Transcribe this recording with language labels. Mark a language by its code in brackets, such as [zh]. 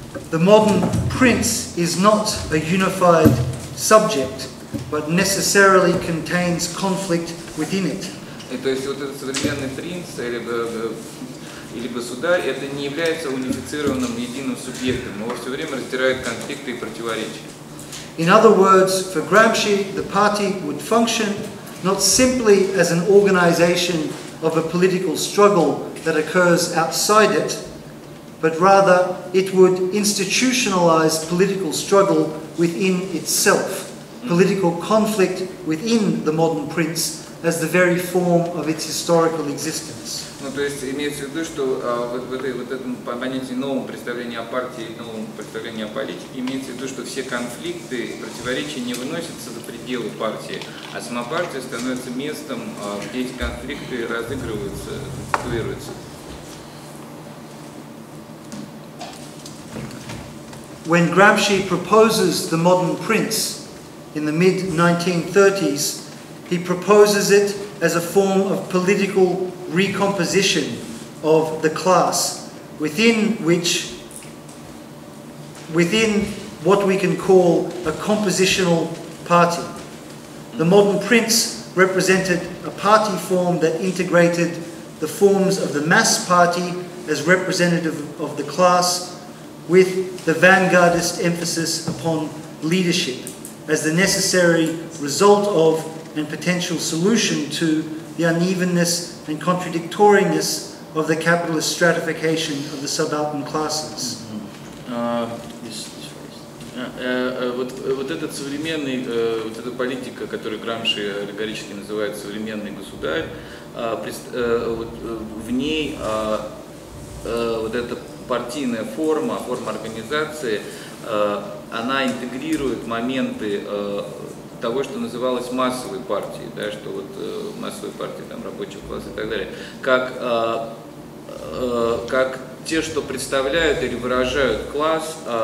[en] The modern prince is not a unified subject, but necessarily contains conflict within it. [ru] То есть вот этот современный принц или государь, это не является унифицированным единым субъектом. Его все время раздирают конфликты и противоречия. [en] In other words, for Gramsci, the party would function not simply as an organization of a political struggle that occurs outside it, but rather it would institutionalize political struggle within itself, political conflict within the modern prince as the very form of its historical existence. [ru] Ну, то есть имеется в виду, что вот этом понятии новом представлении о партии, новом представлении о политике, имеется в виду, что все конфликты, противоречия не выносятся за пределы партии, а сама партия становится местом, где эти конфликты разыгрываются, конституируются. [en] When Gramsci proposes the modern prince in the mid-1930s, he proposes it as a form of political recomposition of the class within what we can call a compositional party. The modern prince represented a party form that integrated the forms of the mass party as representative of the class with the vanguardist emphasis upon leadership as the necessary result of and potential solution to the unevenness and contradictoriness of the capitalist stratification of the subaltern classes. This is first. [ru] Вот этот современный, вот эта политика, которую Грамши аллегорически называет «современный государь», в ней вот эта партийная форма, форма организации, она интегрирует моменты того, что называлось массовой партией, да, что вот массовые партии, там, рабочий класс и так далее, как те, что представляют или выражают класс,